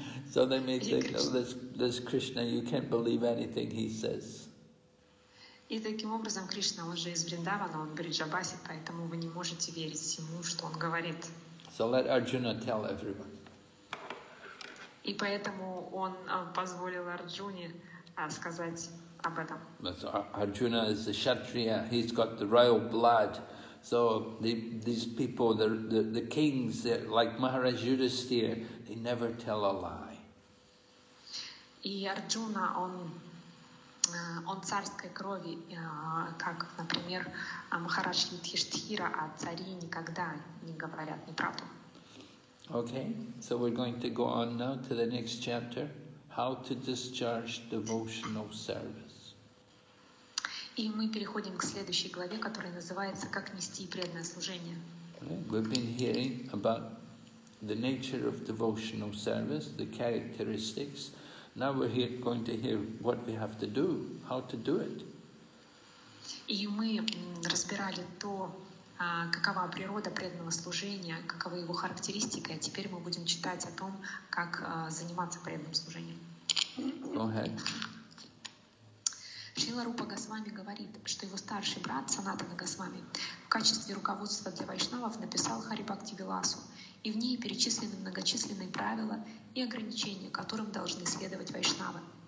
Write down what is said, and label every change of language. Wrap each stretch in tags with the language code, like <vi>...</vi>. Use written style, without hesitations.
<en>So they may think, oh, this Krishna, you can't believe anything he says.</en> <ru>И таким образом Кришна уже из Вриндавана, он Bridjabasi, поэтому вы не можете верить ему, что он говорит.</ru> <en>So let Arjuna tell everyone.</en> <ru>И поэтому он позволил Арджуне сказать об этом.</ru> <en>Arjuna is a kshatriya. He's got the royal blood. So these people, the kings, like Maharaj Yudhisthira, they never tell a lie.</en> <ru>И Арджуна, он царской крови, как, например, Махарадж Юдхиштхира, а цари никогда не говорят неправду.</ru> <en>Okay, so we're going to go on now to the next chapter. How to discharge devotional service.</en> <ru>И мы переходим к следующей главе, которая называется «Как нести преданное служение».</ru> <en>We've been hearing about the nature of devotional service, the characteristics. Now we're here going to hear what we have to do, how to do it.</en> <ru>И мы разбирали то, какова природа преданного служения, каковы его характеристики, а теперь мы будем читать о том, как заниматься преданным служением.</ru> <en>Go ahead.</en> <ru>Шрила Рупа Госвами говорит, что его старший брат, Санатана Госвами, в качестве руководства для вайшнавов написал Харибхакти Виласу, и в ней перечислены многочисленные правила и ограничения, которым должны следовать вайшнавы.</ru>